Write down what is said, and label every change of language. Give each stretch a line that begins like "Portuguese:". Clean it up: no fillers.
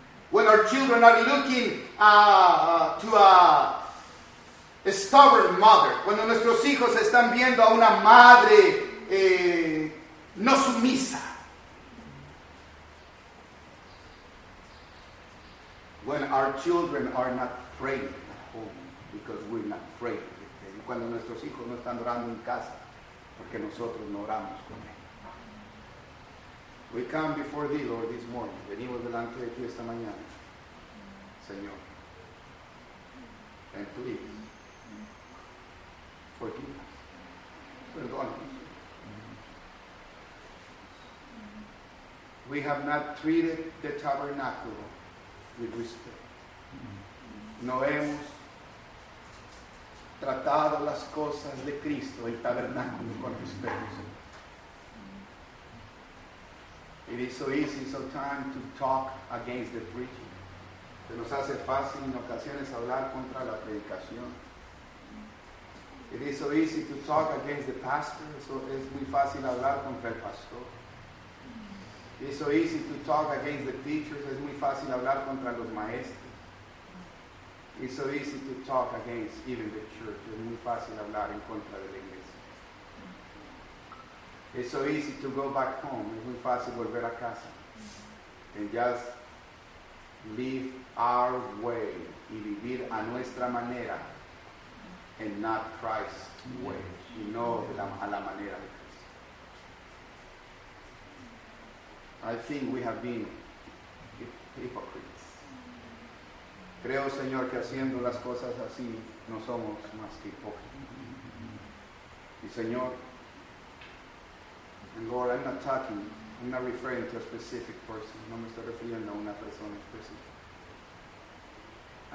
English: When our children are looking to a stubborn mother.
Spanish: Cuando nuestros hijos están viendo a una madre no sumisa.
English: When our children are not praying at home because we're not praying.
Spanish: Cuando nuestros hijos no están orando en casa porque nosotros no oramos con ellos.
English: We come before thee, Lord, this morning.
Spanish: Venimos delante de ti esta mañana. Señor,
English: and please forgive us.
Spanish: Perdónanos.
English: We have not treated the tabernacle with respect.
Spanish: No hemos tratado las cosas de Cristo, el tabernáculo, con respeto.
English: It is so easy sometimes to talk against the preacher.
Spanish: Se nos hace fácil en ocasiones hablar contra la predicación.
English: It is so easy to talk against the pastor.
Spanish: So es muy fácil hablar contra el pastor.
English: It is so easy to talk against the teachers.
Spanish: Es muy fácil hablar contra los maestros.
English: It is so easy to talk against even the church.
Spanish: Es muy fácil hablar en contra de la iglesia.
English: It is so easy to go back home.
Spanish: Es muy fácil volver a casa.
English: And just live our way
Spanish: y vivir a nuestra manera
English: and not Christ's way
Spanish: y no de la, a la manera de Cristo.
English: I think we have been hypocrites.
Spanish: Creo, Señor, que haciendo las cosas así no somos más que hipócritas. Y Señor,
English: and Lord, I'm not talking, I'm not referring to a specific person.
Spanish: No me estoy refiriendo a una persona específica.